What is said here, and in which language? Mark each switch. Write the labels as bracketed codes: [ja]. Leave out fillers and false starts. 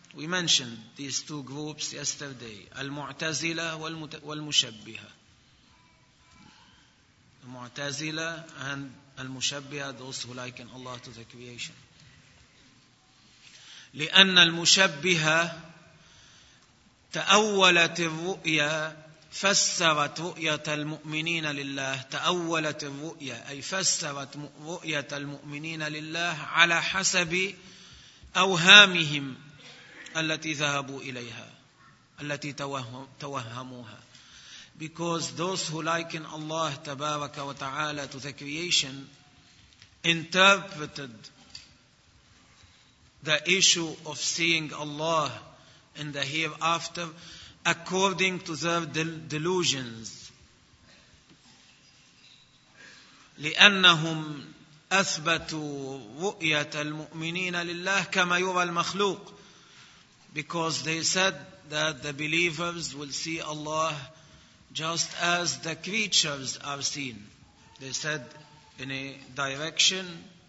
[en] We mentioned these two groups yesterday. [ar] المعتزله والمشبهه. [en] المعتزله and المشبهه, those who liken Allah to the creation. [ar] لأن المشبهه تأولت الرؤيا, فسرت رؤية المؤمنين لله, تأولت الرؤية أي فسرت رؤية المؤمنين لله على حسب أوهامهم التي ذهبوا إليها, التي توهموها. [en] Because those who liken Allah [ar] تبارك وتعالى [en] to the creation interpreted the issue of seeing Allah in the hereafter according to their delusions. [ar] لأنهم أثبتوا رؤية المؤمنين لله كما يرى المخلوق. [en] Because they said that the believers will see Allah just as the creatures are seen. They said in a direction.